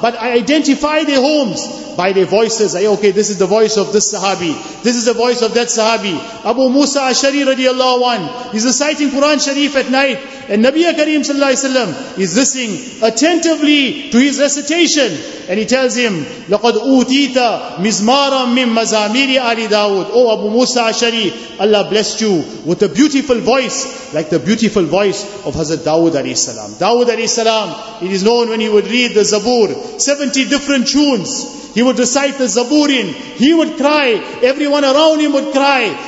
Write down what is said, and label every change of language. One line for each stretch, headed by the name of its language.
English: But I identify their homes by their voices. Okay, this is the voice of this Sahabi. This is the voice of that Sahabi. Abu Musa Ashari radiallahu anhu is reciting Quran Sharif at night. And Nabi Kareem sallallahu alayhi wa sallam is listening attentively to his recitation. And he tells him,
Arabic: لَقَدْ أُوْتِيْتَ مِزْمَارًا مِّمْ مَزَامِيرِ عَلِي دَاوُدِ.
English: Oh Abu Musa Ashari, Allah blessed you with a beautiful voice, like the beautiful voice of Hazrat Dawood alayhi salam. Dawood alayhi salam, it is known when he would read the Zabur, 70 different tunes. He would recite the Zaburin. He would cry. Everyone around him would cry.